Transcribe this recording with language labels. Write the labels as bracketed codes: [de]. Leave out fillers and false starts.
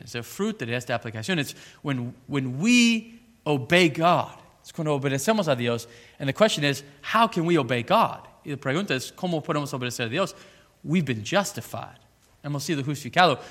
[en] It's the fruit [es] de esta aplicación. [en] It's when we obey God. [es] Es cuando obedecemos a Dios. [en] And the question is, how can we obey God? [es] Y la pregunta es, ¿cómo podemos obedecer a Dios? [en] We've been justified. [es] Hemos sido justificados.